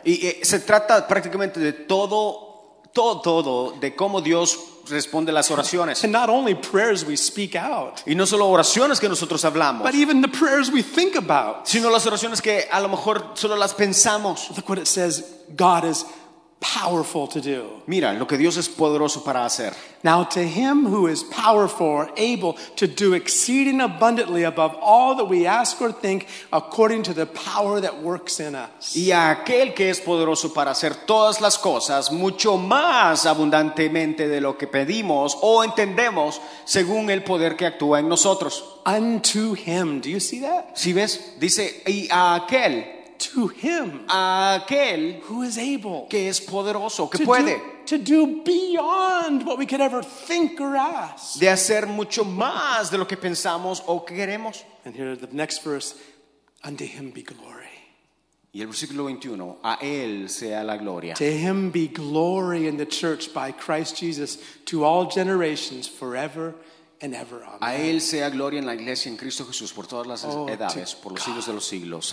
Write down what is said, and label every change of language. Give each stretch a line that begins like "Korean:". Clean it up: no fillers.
Spanish: Y se trata prácticamente de todo de cómo Dios responde las oraciones.
English: And not only prayers we speak out.
Spanish: Y no solo oraciones que nosotros hablamos.
English: But even the prayers we think about.
Spanish: Sino las oraciones que a lo mejor solo las pensamos.
English: Look what it says. God is powerful to do.
Spanish: Mira, lo que Dios es poderoso para hacer.
English: Now to him who is powerful, able to do exceeding abundantly above all that we ask or think, according to the power that works in us.
Spanish: Y a aquel que es poderoso para hacer todas las cosas mucho más abundantemente de lo que pedimos o entendemos, según el poder que actúa en nosotros.
English: Unto him, do you see that?
Spanish: ¿Sí ves? Dice, y a aquel.
English: To him,
Spanish: aquel
English: who is able,
Spanish: que es poderoso, que puede,
English: to do beyond what we could ever think or ask,
Spanish: de hacer mucho más de lo que pensamos o que queremos.
English: And here the next verse, unto him be glory.
Spanish: Y el versículo 21, a él sea la gloria.
English: To him be glory in the church by Christ Jesus to all generations forever and ever. Amen.
Spanish: A él sea gloria en la iglesia en Cristo Jesús por todas las edades, por los siglos de los siglos.